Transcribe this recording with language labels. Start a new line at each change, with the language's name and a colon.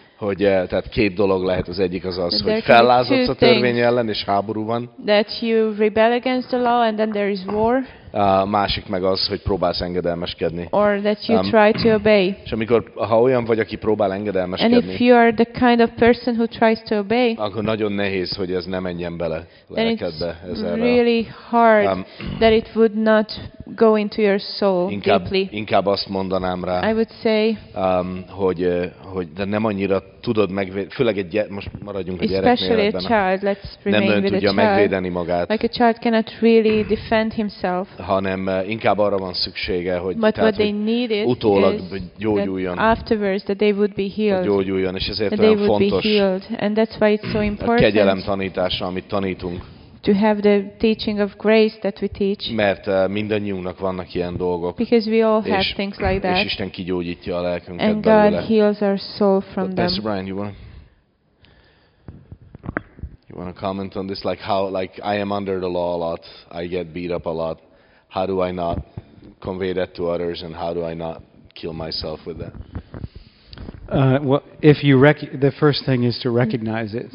Hungarian: Hogy tehát két dolog lehet, az egyik az, hogy fellázadsz a törvény ellen és háború van.
English: That you rebel against the law and then there is war.
Hungarian: A másik meg az, hogy próbálsz engedelmeskedni.
English: Or that you try to obey.
Hungarian: És amikor ha olyan vagy, aki próbál engedelmeskedni.
English: And if you are the kind of person who tries to obey.
Hungarian: Akkor nagyon nehéz, hogy ez ne menjen bele lelkedbe. Ez
English: really hard that it would not go into your soul deeply.
Hungarian: Inkább azt mondanám rá.
English: I would say
Hungarian: hogy de nem annyira tudod megvédeni, főleg egy most maradjunk a gyereknél.
English: Especially a child, let's remain
Hungarian: nem
English: with a child.
Hungarian: Nem tudja megvédeni magát.
English: Like a child cannot really defend himself.
Hungarian: Hanem inkább arra van szüksége, hogy,
English: but
Hungarian: tehát,
English: they
Hungarian: hogy utólag gyógyuljon.
English: Afterwards that they would be healed.
Hungarian: Hogy gyógyuljon, és ezért olyan fontos.
English: And that's why it's so important.
Hungarian: A kegyelem tanítása, amit tanítunk.
English: To have the teaching of grace that we teach.
Hungarian: Mert mindannyiunknak vannak ilyen dolgok.
English: Because we all have things like that.
Hungarian: És Isten kigyógyítja a lelkünket
English: and
Hungarian: belőle.
English: And God heals our soul from them. Pastor Brian, you want to comment on this, like how, like I am under the law a lot, I get beat up a lot. How do I not convey that to others, and how do I not kill myself with that? If you the first thing is to recognize it.